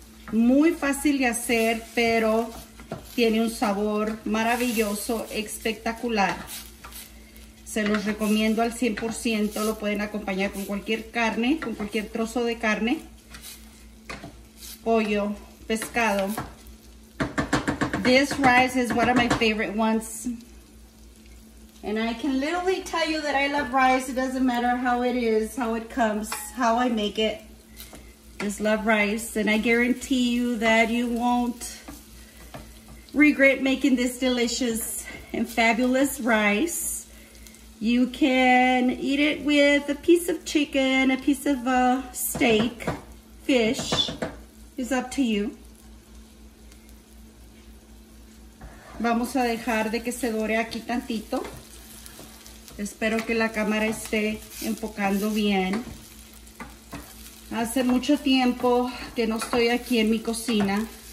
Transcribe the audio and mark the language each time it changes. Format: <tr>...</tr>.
<es>Muy fácil de hacer, pero tiene un sabor maravilloso, espectacular. Se los recomiendo al 100%. Lo pueden acompañar con cualquier carne, con cualquier trozo de carne. Pollo, pescado.</es> <en>This rice is one of my favorite ones. And I can literally tell you that I love rice. It doesn't matter how it is, how it comes, how I make it. Just love rice. And I guarantee you that you won't regret making this delicious and fabulous rice. You can eat it with a piece of chicken, a piece of steak, fish. It's up to you.</en> <es>Vamos a dejar de que se dore aquí tantito. Espero que la cámara esté enfocando bien. Hace mucho tiempo que no estoy aquí en mi cocina.</es>